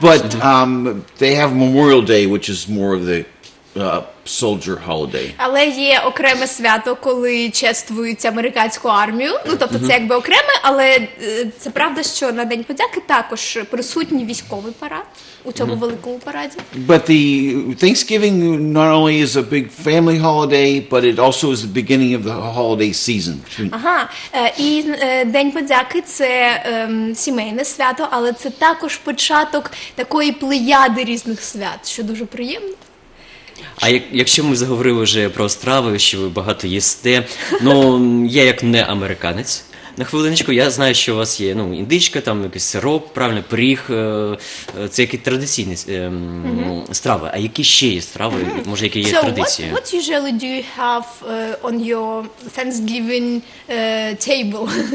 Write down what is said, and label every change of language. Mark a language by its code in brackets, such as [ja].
[en] But they have Memorial Day, which is more of the soldier holiday. [uk] Але є окреме свято, коли чествують американську армію. Ну, тобто це якби окреме, але це правда, що на День подяки також присутній військовий парад у цьому великому параді. [en] But the Thanksgiving not only is a big family holiday, but it also is the beginning of the holiday season. Ага. [uk] І День подяки це сімейне свято, але це також початок такої плеяди різних свят, що дуже приємно. А якщо ми заговорили вже про страви, що ви багато їсте, ну, я як не американець, на хвилиночку, я знаю, що у вас є, ну, індичка, там якийсь сироп, правильно, пиріг, це які традиційні страви. А які ще є страви, може, які є традиції? [en] So, what usually do you have on your Thanksgiving table?